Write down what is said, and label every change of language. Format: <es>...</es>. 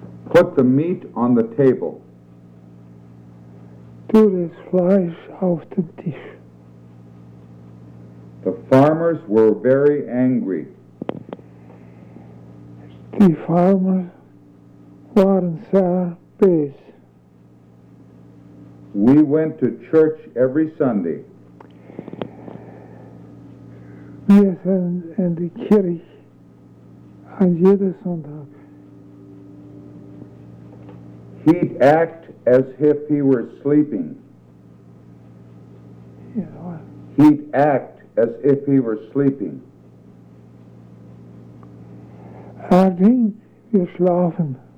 <en>Put the meat on the table.</en> <de>Tu das Fleisch auf den Tisch.</de> <en>The farmers were very angry.</en> <de>Die Farmer waren sehr böse.</de> <en>We went to church every Sunday.</en> <de>Wir sind in die Kirche an jeden Sonntag.</de> <en>He'd act as if he were sleeping. Yeah. He'd act as if he were sleeping.</en> <de>Ding, wir schlafen.</de>